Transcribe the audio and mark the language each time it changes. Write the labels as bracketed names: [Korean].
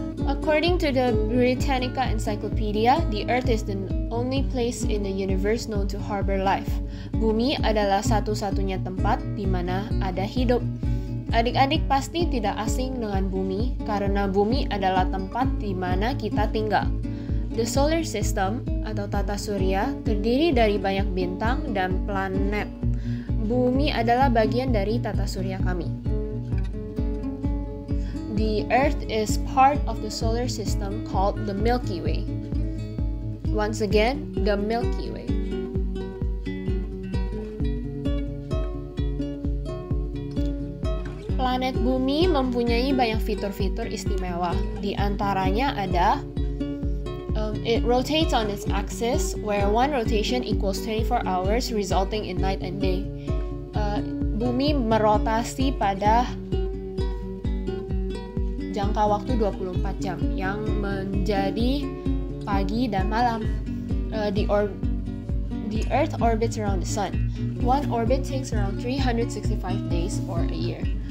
[English] According to the Britannica Encyclopedia, the Earth is the only place in the universe known to harbor life. [Indonesian] Bumi adalah satu-satunya tempat di mana ada hidup. Adik-adik pasti tidak asing dengan bumi, karena bumi adalah tempat di mana kita tinggal. [English] The solar system, [Indonesian] atau tata surya, terdiri dari banyak bintang dan planet. Bumi adalah bagian dari tata surya kami. [English] The Earth is part of the solar system called the Milky Way. Once again, the Milky Way. [Indonesian] Planet Bumi mempunyai banyak fitur-fitur istimewa. Di antaranya ada [English] it rotates on its axis, where one rotation equals 24 hours, resulting in night and day. [Indonesian] Bumi merotasi pada jangka waktu 24 jam, yang menjadi pagi dan malam. [English] The Earth orbits around the Sun. One orbit takes around 365 days or a year.